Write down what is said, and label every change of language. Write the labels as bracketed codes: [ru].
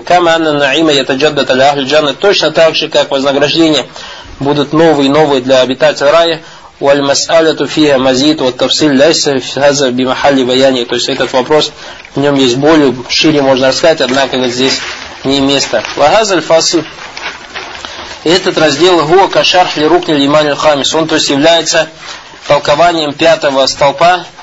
[ar] Кама анна наима я таджаддата ля ахли джанна. [ru] Точно так же, как вознаграждения будут новые и новые для обитателя рая. [ar] وَالْمَسْأَلَةُ فِيهَ مَزِيدُ وَالْتَفْصِيلُ لَيْسَ هَذَا بِمَحَلِّ بَيَانِهِ. [ru] То есть этот вопрос, в нем есть более, шире можно рассказать, однако вот здесь не место. [ar] وَهَذَا الْفَصْلُ. [ru] Этот раздел [ar] هُوَ كَشَرْحُ لِرُكْنِ الْإِيمَانِ الْخَامِسِ. [ru] Он, то есть, является толкованием пятого столпа.